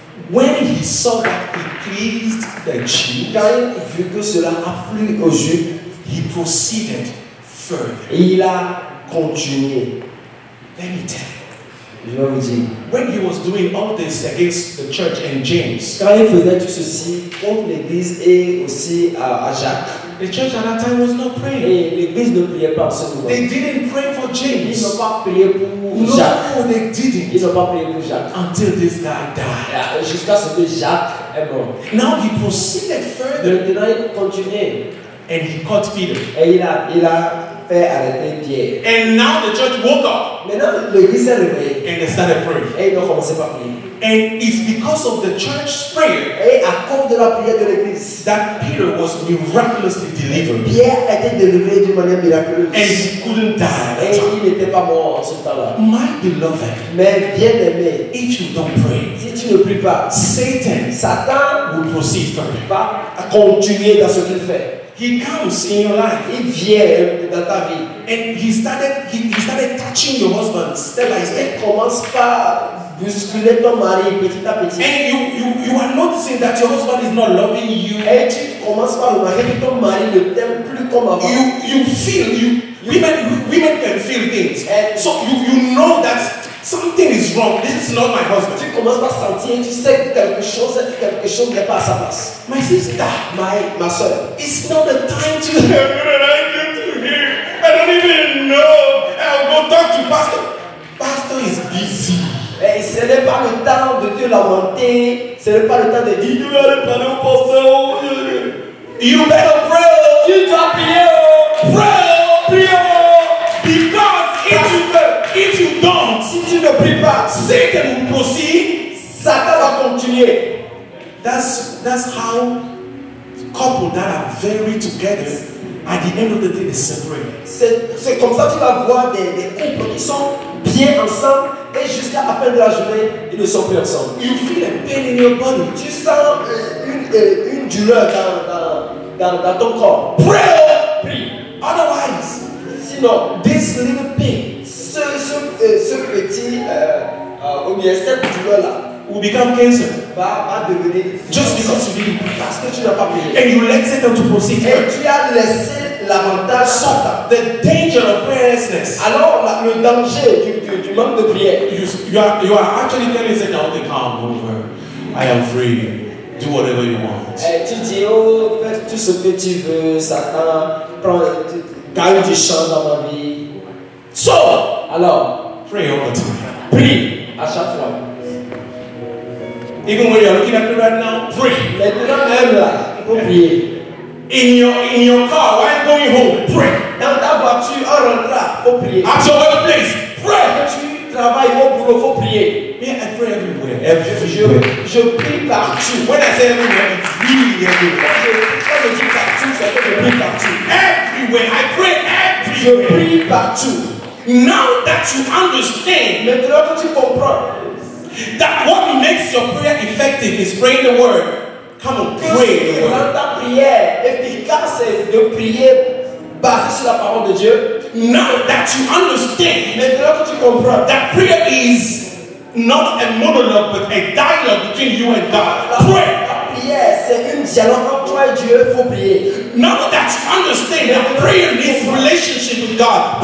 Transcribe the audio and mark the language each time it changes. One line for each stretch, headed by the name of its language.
English: when he saw that it pleased the Jews,
French: quand il vit que cela a plu aux Juifs,
English: he proceeded further.
French: Et il a continué.
English: Let me tell you.
French: Je vais vous dire.
English: When he was doing all this against the church and James,
French: quand il faisait tout ceci contre l'église et aussi à Jacques,
English: the church at that time was not praying.
French: Et l'église ne priait pas en ce moment.
English: They didn't pray for James.
French: Ils n'ont pas prié pour Jacques.
English: No, they didn't.
French: Ils n'ont pas prié pour Jacques.
English: Until this guy died.
French: Jusqu'à ce que Jacques est mort.
English: Now he proceeded further.
French: Maintenant il continuait.
English: And he caught Peter.
French: Et il a fait arrêter Pierre.
English: And now the church woke up.
French: Maintenant l'église s'est réveillée.
English: And they started praying.
French: Et ils ont commencé par prier.
English: And it's because of the church's prayer.
French: Et à cause de la prière de l'église.
English: That Peter was miraculously delivered.
French: Pierre a été délivré d'une manière miraculeuse.
English: And he couldn't die.
French: Et
English: time.
French: Il n'était pas mort en ce temps-là.
English: My beloved.
French: Mais bien aimé.
English: If you don't pray.
French: Si tu ne pries pas.
English: Satan will proceed further.
French: Va continuer dans ce qu'il fait.
English: He comes in your life.
French: Il vient dans ta vie.
English: And he started touching your husband. Stella,
French: il commence par bousculer ton mari petit à petit.
English: And you are noticing that your husband is not loving you.
French: Et tu commences par remarquer que ton mari ne t'aime plus comme avant.
English: You feel women can feel things.
French: Et
English: so you know that something is wrong. This is not my husband.
French: Tu commences par sentir, tu sais que quelque chose n'est pas à sa place.
English: My sister, my
French: soeur,
English: it's not the time to hear. What did I do to him? I don't even know. I'll go talk to pastor. Pastor is busy.
French: Et ce n'est pas le temps de te lamenter. Ce n'est pas le temps de dire. Tu dois aller parler au pasteur.
English: You better pray.
French: Tu dois prier.
English: Pray. Because if you don't,
French: si tu ne pries pas,
English: Satan will proceed.
French: Satan va continuer.
English: That's how couples that are very together, at the end of the day, they separate.
French: C'est comme ça que tu vas voir des couples qui sont bien ensemble. Et jusqu'à la fin de la journée, ils ne sont plus ensemble.
English: You feel a pain in your body.
French: Tu sens une douleur dans ton corps.
English: Pray. Otherwise,
French: sinon,
English: this little pain,
French: ce petit, ou bien cette douleur là,
English: will become cancer.
French: Va devenir.
English: Just because you didn't pray.
French: Parce que tu n'as pas prié.
English: And you let Satan to proceed.
French: Et tu as laissé l'avantage.
English: Satan. The danger of prayerlessness.
French: Alors le danger du manque de prière.
English: You are actually telling Satan, okay, calm over. I am free. Do whatever you want.
French: Et tu dis, oh, fais tout ce que tu veux, Satan. Gagne du champ dans ma vie.
English: So.
French: Alors.
English: Pray all the time.
French: Prie à chaque fois.
English: Even when you are looking at me right now, pray.
French: Maintenant, même là, vous priez.
English: In your car, while you're going home, pray.
French: Dans ta voiture, en rentrant, vous priez.
English: At your workplace, pray.
French: Quand tu travailles au boulot, vous priez.
English: Yeah, I pray everywhere.
French: Je prie partout.
English: When I say everywhere, it's really everywhere.
French: Quand je dis partout, c'est que je prie partout.
English: Everywhere, I pray everywhere.
French: Je prie partout.
English: Now that you understand,
French: maintenant que tu comprends,
English: that what makes your prayer effective is praying the word. Come on, pray.
French: Quand ta prière efficace de prier basé sur la parole de Dieu.
English: Now that you understand,
French: maintenant que tu comprends,
English: that prayer is not a monologue but a dialogue between you and God. Pray.
French: La prière c'est un dialogue entre toi et Dieu. Faut prier.
English: Now that you understand that prayer needs relationship with God.